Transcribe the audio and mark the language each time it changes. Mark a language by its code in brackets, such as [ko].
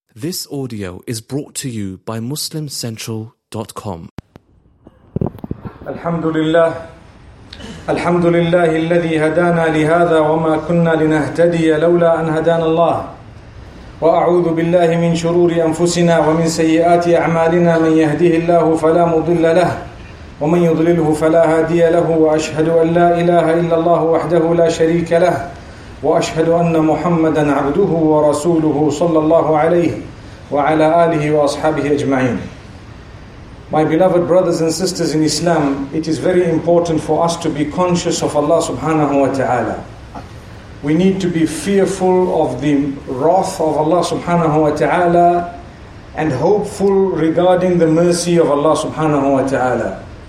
[en] This audio is brought to you by MuslimCentral.com. [ar] Alhamdulillah. Alhamdulillah الذي هدانا لهذا وما كنا لنهتدي لولا أن هدانا الله. وأعوذ بالله من شرور أنفسنا ومن سيئات أعمالنا من يهده الله فلا مضل له ومن يضلله فلا هادي له وأشهد أن لا إله إلا الله وحده لا شريك له وأشهد أن محمدا عبده ورسوله صلى الله عليه وعلى آله وأصحابه أجمعين. [en] My beloved brothers and sisters in Islam, it is very important for us to be conscious of Allah subhanahu wa ta'ala. We need to be fearful of the wrath of Allah subhanahu wa ta'ala and hopeful regarding the mercy of Allah subhanahu wa ta'ala.